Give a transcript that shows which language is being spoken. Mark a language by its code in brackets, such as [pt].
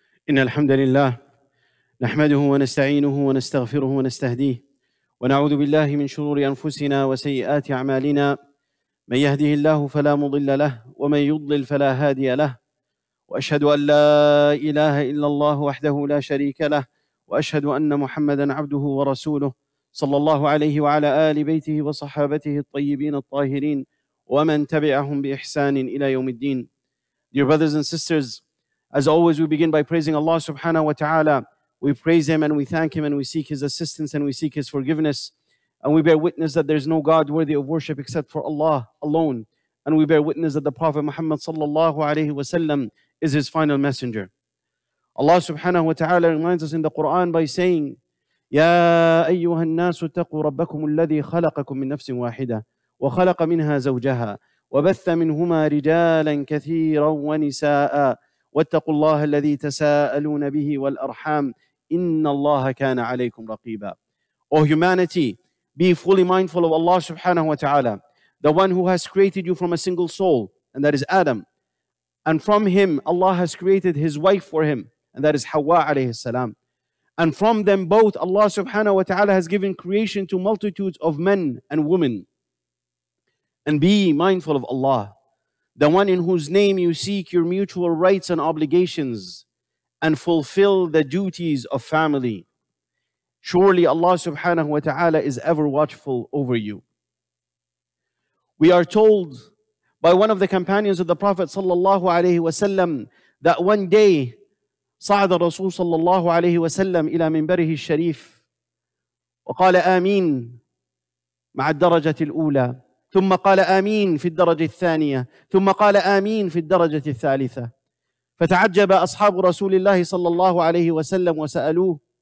[ar] إن الحمد لله نحمده ونستعينه ونستغفره ونستهديه ونعوذ بالله من شرور أنفسنا وسيئات أعمالنا من يهده الله فلا مضل له ومن يضلل فلا هادي له وأشهد أن لا إله إلا الله وحده لا شريك له وأشهد أن محمدًا عبده ورسوله صلى الله عليه وعلى آل بيته وصحابته الطيبين الطاهرين ومن تبعهم بإحسان إلى يوم الدين. [en] Dear brothers and sisters, as always, we begin by praising Allah subhanahu wa ta'ala. We praise Him and we thank Him and we seek His assistance and we seek His forgiveness. And we bear witness that there is no God worthy of worship except for Allah alone. And we bear witness that the Prophet Muhammad sallallahu alayhi wa sallam is His final messenger. Allah subhanahu wa ta'ala reminds us in the Quran by saying, [ar] يَا أَيُّهَا النَّاسُ اتَّقُوا رَبَّكُمُ الَّذِي خَلَقَكُمْ مِنْ نَفْسٍ وَاحِدَةٍ وَخَلَقَ مِنْهَا زَوْجَهَا وَبَثَّ مِنْهُمَا رِجَالًا كَثِيرًا وَنِسَاءً وَاتَّقُوا اللَّهَ الَّذِي تَسَاءَلُونَ بِهِ وَالْأَرْحَامِ إِنَّ اللَّهَ كَانَ عَلَيْكُمْ رَقِيبًا. [en] O humanity, be fully mindful of Allah subhanahu wa ta'ala, the one who has created you from a single soul, and that is Adam. And from him, Allah has created his wife for him, and that is Hawa alayhi salam. And from them both, Allah subhanahu wa ta'ala has given creation to multitudes of men and women. And be mindful of Allah, the one in whose name you seek your mutual rights and obligations and fulfill the duties of family. Surely Allah subhanahu wa ta'ala is ever watchful over you. We are told by one of the companions of the Prophet sallallahu alayhi wa sallam that one day [ar] صعد الرسول صلى الله عليه وسلم إلى منبره الشريف وقال آمين مع الدرجة الأولى ثم قال آمين في الدرجة الثانية ثم قال آمين في الدرجة الثالثة فتعجب أصحاب رسول الله صلى الله عليه وسلم وسألوه